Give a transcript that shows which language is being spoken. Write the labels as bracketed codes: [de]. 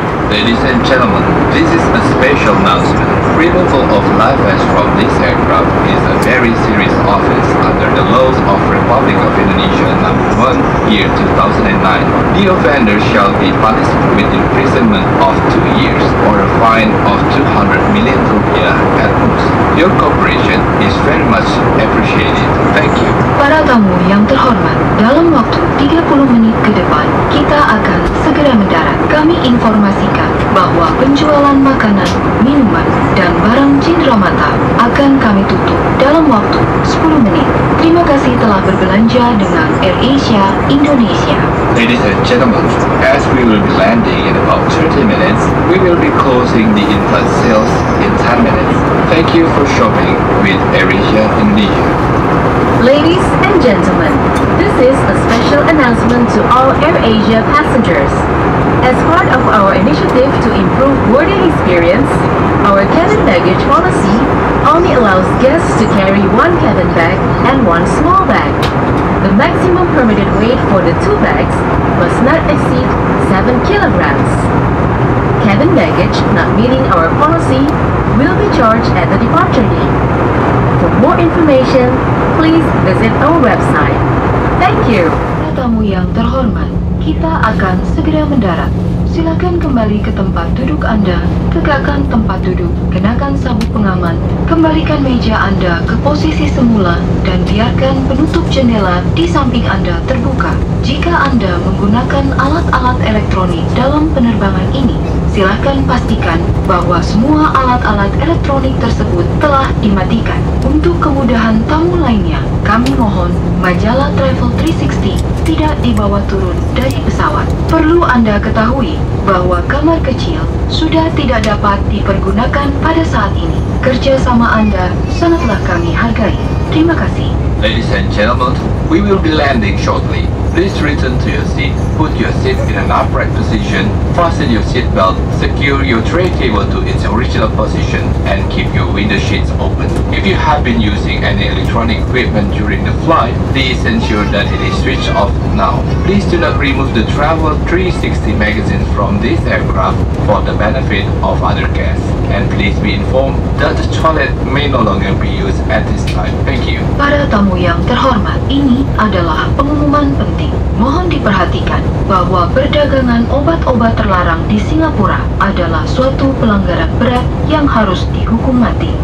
[en] Ladies and gentlemen, this is a special announcement. Removal of life vests from this aircraft is a very serious offense under the laws of Republic of Indonesia No. 1, year 2009. The offender shall be punished with imprisonment of 2 years or a fine of 200 million rupiah at most. Your cooperation is very much appreciated. Thank you. [id] Para tamu yang terhormat, dalam waktu 30 menit ke depan, kita akan segera mendarat. Kami informasikan bahwa penjualan makanan, minuman, dan barang cindera mata akan kami tutup dalam waktu 10 menit. Terima kasih telah berbelanja dengan AirAsia Indonesia. [en] Ladies and gentlemen, as we will be landing in about 30 minutes, we will be closing the inflight sales in 10 minutes. Thank you for shopping with AirAsia Indonesia. Ladies and gentlemen, this is a special announcement to all AirAsia passengers. As part of our initiative to improve boarding experience, our cabin baggage policy only allows guests to carry one cabin bag and one small bag. The maximum permitted weight for the two bags must not exceed 7 kilograms. Cabin baggage not meeting our policy will be charged at the departure gate. For more information, please visit our website. Thank you. [id] Para tamu yang terhormat, kita akan segera mendarat. Silakan kembali ke tempat duduk Anda, tegakkan tempat duduk, kenakan sabuk pengaman, kembalikan meja Anda ke posisi semula, dan biarkan penutup jendela di samping Anda terbuka. Jika Anda menggunakan alat-alat elektronik dalam penerbangan ini, silakan pastikan bahwa semua alat-alat elektronik tersebut telah dimatikan. Untuk kemudahan tamu lainnya, kami mohon majalah Travel 360 tidak dibawa turun dari pesawat. Perlu Anda ketahui bahwa kamar kecil sudah tidak dapat dipergunakan pada saat ini. Kerjasama Anda sangatlah kami hargai. Terima kasih. [en] Ladies and gentlemen, we will be landing shortly. Please return to your seat, put your seat in an upright position, fasten your seat belt, secure your tray table to its original position, and keep your window sheets open. If you have been using any electronic equipment during the flight, please ensure that it is switched off now. Please do not remove the Travel 360 magazine from this aircraft for the benefit of other guests. And please be informed that the toilet may no longer be used at this time. Thank you. [id] Para tamu yang terhormat, ini adalah pengumuman penting. Mohon diperhatikan bahwa perdagangan obat-obat terlarang di Singapura adalah suatu pelanggaran berat yang harus dihukum mati.